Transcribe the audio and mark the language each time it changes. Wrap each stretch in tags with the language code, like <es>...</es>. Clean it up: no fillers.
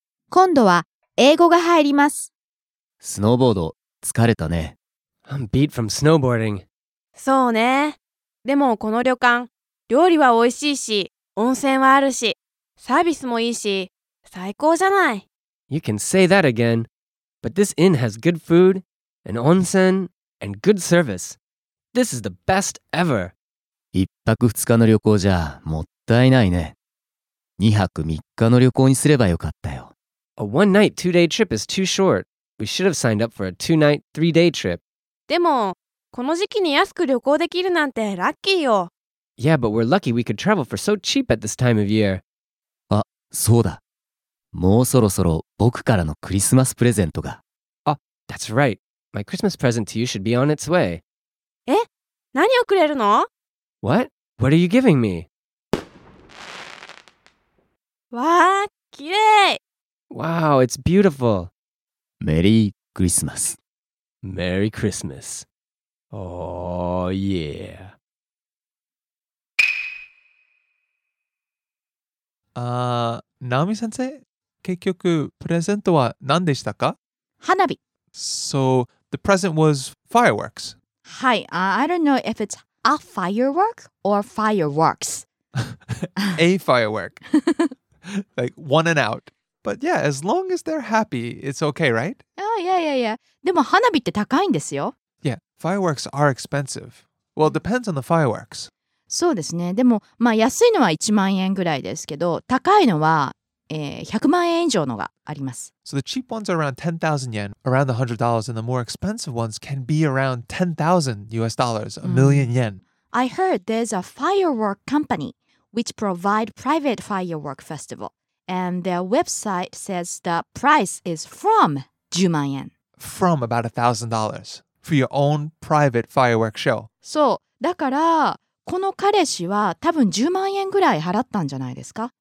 <ja>今度は英語が入ります。スノーボード疲れたね。</ja> <en>I'm beat from snowboarding。</en> <ja>そうね。でもこの旅館、料理は美味しいし、温泉はあるし、サービスもいいし、最高じゃない。</ja> <en>You can say that again, but this inn has good food and onsenAnd good service. This is the best ever.</en> <ja>一泊二日の旅行じゃもったいないね。二泊三日の旅行にすればよかったよ。</ja> <en>A one night two day trip is too short. We should have signed up for a two night three day trip.</en> <ja>でもこの時期に安く旅行できるなんてラッキーよ。</ja> <en>Yeah, but we're lucky we could travel for so cheap at this time of year.</en> <ja>あ、そうだ。もうそろそろ僕からのクリスマスプレゼントが。</ja> <en>Oh, that's right. My Christmas present to you should be on its way.</en> <ja>え？何をくれるの？</ja> <en>What? What are you giving me?</en> <ja>わあ、綺麗。</ja> <en>Wow, it's beautiful. Merry Christmas. Merry Christmas. Oh, yeah. Naomi-sensei?</en> <ja>結局プレゼントは何でしたか？花火。</ja> <en>So the present was fireworks. はい、I don't know if it's a firework or fireworks. A firework. Like one and out. But yeah, as long as they're happy, it's okay, right? Oh, yeah, yeah, yeah.</en> <ja>でも花火って高いんですよ。</ja> <en>Yeah, fireworks are expensive. Well, it depends on the fireworks.</en> <ja>そうですね。でも、まあ、安いのは1万円ぐらいですけど、高いのは、100万円以上のがあります。</ja> <en>So the cheap ones are around 10,000 yen, around $100, and the more expensive ones can be around 10,000 US dollars, a million yen. I heard there's a firework company which provide private firework festival. And their website says the price is from 10万円. From about $1,000 for your own private firework show.</en> <ja>そう、だからこの彼氏は多分10万円ぐらい払ったんじゃないですか。</ja>